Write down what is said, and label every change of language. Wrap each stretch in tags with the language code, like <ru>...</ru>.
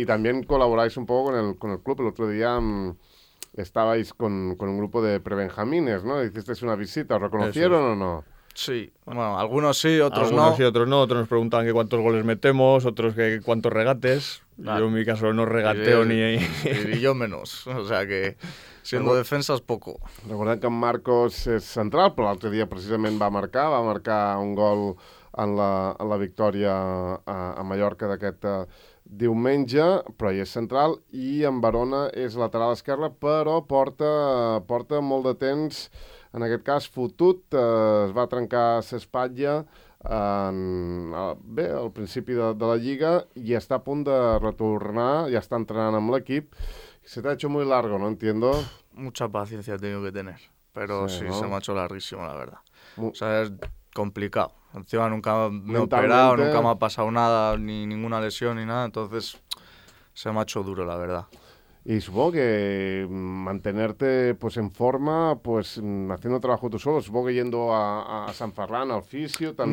<es>Y también colaboráis un poco con el club. El otro día estabais con un grupo de prebenjamines, ¿no? Hicisteis una visita, ¿os reconocieron o no? Sí, bueno, algunos sí, otros algunos no. Algunos sí, otros no. Otros nos preguntaban que cuántos goles metemos, otros que cuántos regates. Vale. Yo en mi caso no regateo ni ahí. Y yo menos, o sea que siendo defensa es poco.</es> <ca>Recordad que Marcos es central, pero el otro día precisamente va a marcar un gol en la victòria a Mallorca d'aquest diumenge, però ahí és central, i en Barona és lateral esquerre, però porta molt de temps, en aquest cas, fotut, es va trencar l'espatlla al principi de la Lliga i està a punt de retornar, ja està entrenant amb l'equip.</ca> <es>Se t'ha hecho muy largo, ¿no? Entiendo. Mucha paciencia he tenido que tener, pero sí, ¿no? Se me ha hecho larguísimo, la verdad. O sea, es complicado. Encima nunca me he operado, nunca me ha pasado nada, ni ninguna lesión ni nada, entonces se me ha hecho duro, la verdad. Y supongo que mantenerte pues en forma, pues haciendo trabajo tú solo, supongo que yendo a San Ferran, al fisio también.</es>